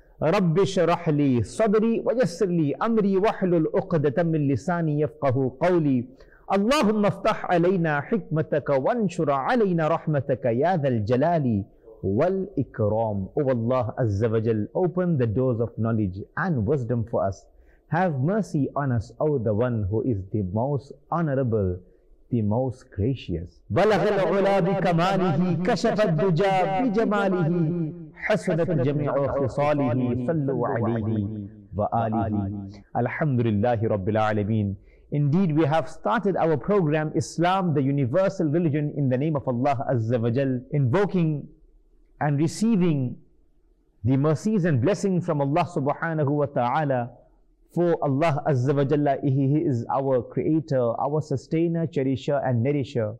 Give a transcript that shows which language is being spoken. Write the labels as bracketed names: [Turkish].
[Arabic] رب اشرح لي صدري ويسر لي امري واحلل عقدة من لساني يفقهوا قولي اللهم افتح علينا حكمتك وانشر علينا رحمتك يا ذا الجلال والاكرام. [English] Oh Allah Azza wa Jal, open the doors of knowledge and wisdom for us. Have mercy on us, O the one who is the most honorable, the most gracious. [Arabic] بلغ العلا بكماله كشف الدجى بجماله حسنت جميع خصاله صلوا عليه وآله. الحمد لله رب العالمين. [English] Indeed, we have started our program Islam, the universal religion, in the name of Allah Azza wa Jal, invoking and receiving the mercies and blessings from Allah subhanahu wa ta'ala. For Allah Azza wa Jalla, He is our creator, our sustainer, cherisher and nourisher.